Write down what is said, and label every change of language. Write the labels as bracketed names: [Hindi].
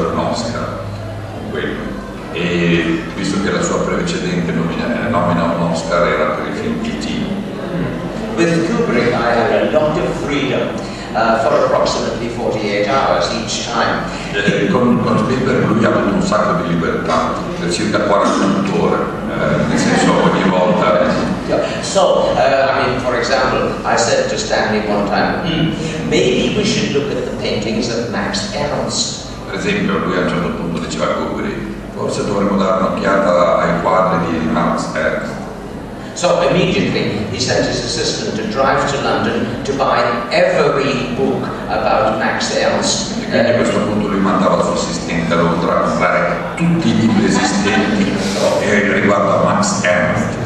[Italian] Oscar con quello. E visto che la sua precedente nomina un Oscar era per il film E.T. [English] With Kubrick I had a lot of freedom for approximately 48 hours each time. [Italian] Con Spielberg lui ha avuto un sacco di libertà per circa 48 ore, nel senso ogni volta. [English] For example, I said to Stanley one time, maybe we should look at the paintings of Max Ernst. [Italian] Per esempio, lui a un certo punto diceva a Kubrick, forse dovremmo dare un'occhiata ai quadri di Max Ernst. [English] So immediately he sent his assistant to drive to London to buy every book about Max Ernst. [Italian] E a questo punto lui mandava il suo assistente a Londra a comprare tutti i libri esistenti riguardo a Max Ernst.